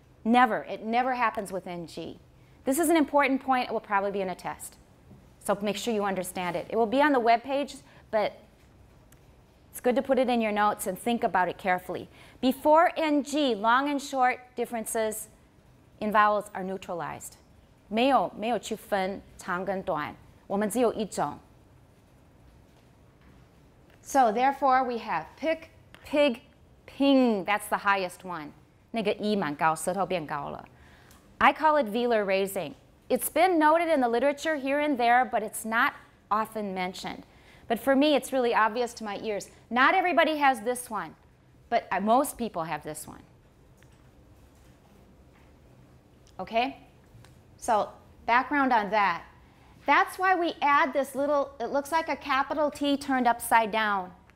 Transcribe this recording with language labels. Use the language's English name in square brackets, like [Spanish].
[English] Never. It never happens with NG. This is an important point. It will probably be in a test. So make sure you understand it. It will be on the web page, but it's good to put it in your notes and think about it carefully. Before NG, long and short differences in vowels are neutralized. [Chinese] 没有去分长跟短,我们只有一种. [English] So therefore, we have pick, pig, ping. That's the highest one. [Chinese] 那个 E 蛮高,舌头变高了。 [English] I call it velar raising. It's been noted in the literature here and there, but it's not often mentioned. But for me, it's really obvious to my ears. Not everybody has this one, but most people have this one. Okay? So, background on that. That's why we add this little, it looks like a capital T turned upside down.